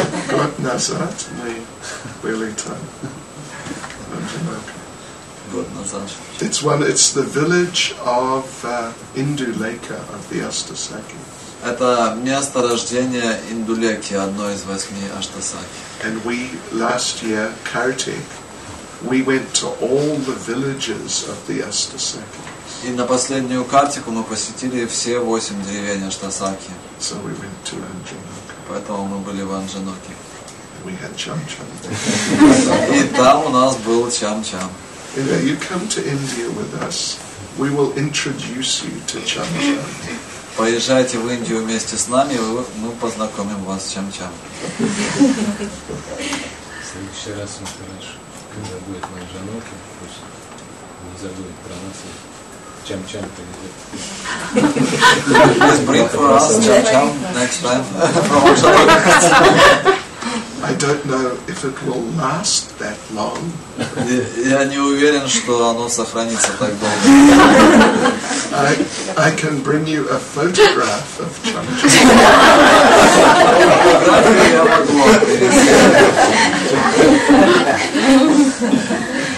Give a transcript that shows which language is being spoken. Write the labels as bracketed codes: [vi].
[ru] Год назад мы были там, в Анджаноке. [en] It's one. It's the village of Induleka of the Ashtasakhi. [ru] Это место рождения Индулеки, одной из восьми Аштасаки. [en] And we last year, Kartik, we went to all the villages of the Ashtasaki. [ru] И на последнюю Картику мы посетили все восемь деревень Аштасаки. [en] So we went to Анджанока. [ru] Поэтому мы были в Анджаноке. [en] We had Чам-Чам. [ru] И там у нас был Чам-Чам. [en] If you come to India with us, we will introduce you to Чам-Чам. [ru] Поезжайте в Индию вместе с нами, мы познакомим вас с Чам-Чам. В следующий раз, когда будет в Анджаноке, пусть не забудет про нас. Чам-чам. [en] Please bring for us Чам-чам next time from Анджаноке. I don't know if it will last that long. [ru] Я не уверен, что оно сохранится так долго. [en] I can bring you a photograph of Чам-чам.